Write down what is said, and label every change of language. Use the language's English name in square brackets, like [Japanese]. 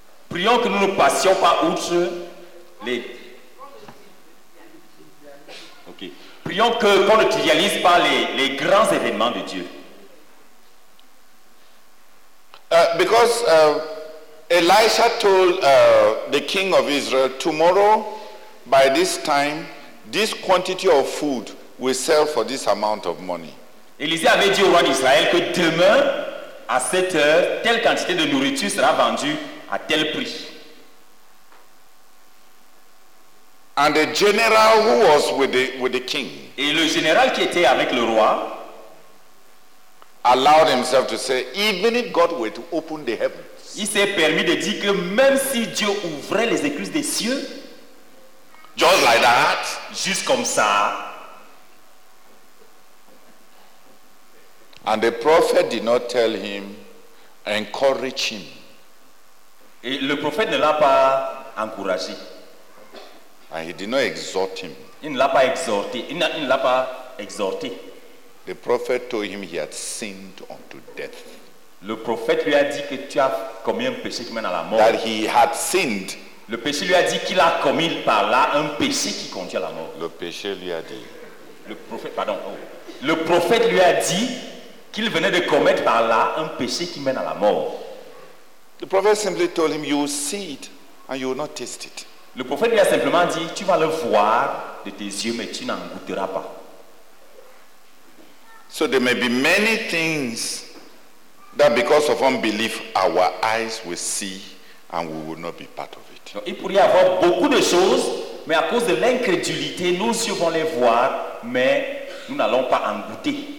[French] Prions que nous ne passions pas outre les. Ok. Prions qu'on ne trivialise pas les grands événements de Dieu. [English] Because Elisha told the king of Israel, tomorrow, by this time, this quantity of food will sell for this amount of money. [French] Élisée avait dit au roi d'Israël que demain, à cette heure, telle quantité de nourriture sera vendue à tel prix. [English] And the general who was with the king. [French] Et le général qui était avec le roi [English] allowed himself to say, even if God were to open the heavens. [French] Il s'est permis de dire que même si Dieu ouvrait les écluses des cieux, [English] just like that, [French] juste comme ça. [English] And the prophet did not tell him, encourage him. [French] Et le prophète ne l'a pas encouragé. [English] And he did not exhort him. [French] Il ne l'a pas exhorté. Il ne l'a pas exhorté. [English] The prophet told him he had sinned unto death. [French] Le prophète lui a dit que tu as commis un péché qui mène à la mort. [English] That he had sinned. [French] Le péché lui a dit qu'il a commis par là un péché qui conduit à la mort. Le péché lui a dit. Le prophète lui a dit qu'il venait de commettre par là un péché qui mène à la mort. [English] The prophet simply told him, you will see it and you will not taste it. [French] Le prophète lui a simplement dit, tu vas le voir de tes yeux, mais tu n'en goûteras pas. [English] So there may be many things that because of unbelief, our eyes will see and we will not be part of it. [French] Il pourrait y avoir beaucoup de choses, mais à cause de l'incrédulité, nos yeux vont les voir, mais nous n'allons pas en goûter.